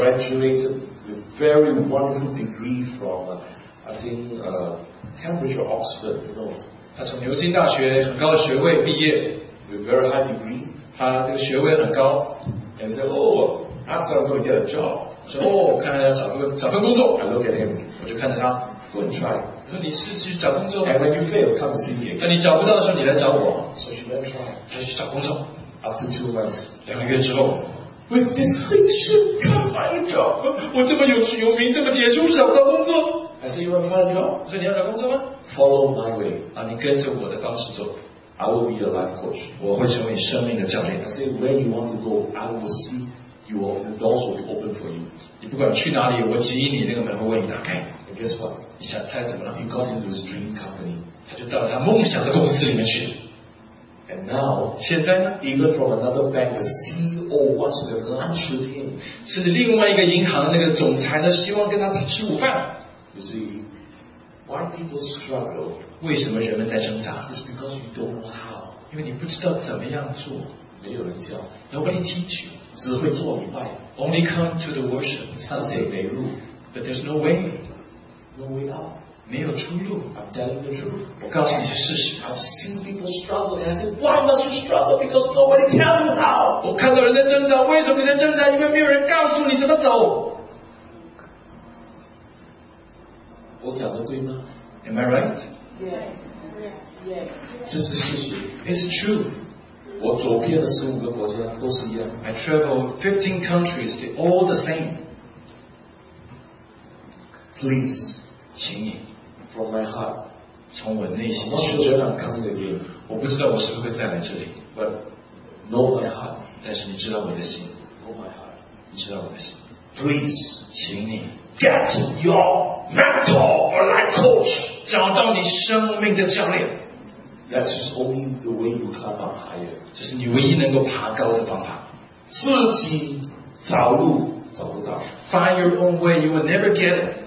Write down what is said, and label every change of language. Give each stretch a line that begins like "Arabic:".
English: ，graduated with very wonderful degree from, I think, Cambridge or Oxford, you know.
Chinese: 他从牛津大学很高的学位毕业
English: ，with very high degree.
Chinese: 他这个学位很高
English: ，and said, "Oh, ask her to go get a job.
Chinese: 说，哦，看来要找份工作。
English: I look at him.
Chinese: 我就看着他。
English: Go and try.
Chinese: 说你是去找工作。
English: And when you fail, come see me.
Chinese: 那你找不到的时候，你来找我。
English: So she went try.
Chinese: 她去找工作。
English: After 2 months.
Chinese: 2个月之后。
English: With distinction, can't find a job.
Chinese: 我这么有名，这么杰出，找不到工作。
English: I say you want to find a job.
Chinese: 说你要找工作吗？
English: Follow my way.
Chinese: 啊，你跟着我的方式走。
English: I will be your life coach.
Chinese: 我会成为你生命的教练。
English: I say where you want to go, I will see you. The doors will be open for you.
Chinese: 你不管去哪里，我指引你，那个门会为你打开。
English: And guess what?
Chinese: 你想猜怎么了？
English: He got into his dream company.
Chinese: 他就到了他梦想的公司里面去。
English: And now,
Chinese: 现在呢?
English: Even from another bank, the CEO wants to have lunch with him.
Chinese: 是另外一个银行的那个总裁呢，希望跟他吃午饭。
English: You see, why people struggle?
Chinese: 为什么人们在挣扎?
English: It's because you don't know how.
Chinese: 因为你不知道怎么样做。没有人教。
English: Nobody teach you.
Chinese: 只会做礼拜。
English: Only come to the worship.
Chinese: 上帝没路。
English: But there's no way. No way out.
Chinese: 没有出路。
English: I'm telling the truth.
Chinese: 我告诉你是事实。
English: I've seen people struggle and I said, why must you struggle? Because nobody tell you how.
Chinese: 我看到人在挣扎, 为什么你在挣扎?因为没有人告诉你怎么走。我讲的对吗?
English: Am I right? Yes. Yes. Yes. It's true.
Chinese: 我走遍了15个国家都是一样。
English: I travel 15 countries, they're all the same. Please,
Chinese: 请你,
English: from my heart,
Chinese: 从我内心,
English: I'm not sure when I'm coming again.
Chinese: 我不知道我是不是会再来这里,
English: but know my heart.
Chinese: 但是你知道我的心,
English: know my heart.
Chinese: 你知道我的心,
English: please,
Chinese: 请你,
English: get your mentor or life coach.
Chinese: 找到你生命的教练。
English: That's only the way you climb up higher.
Chinese: 这是你唯一能够爬高的方法。自己找路找不到。
English: Find your own way, you will never get it.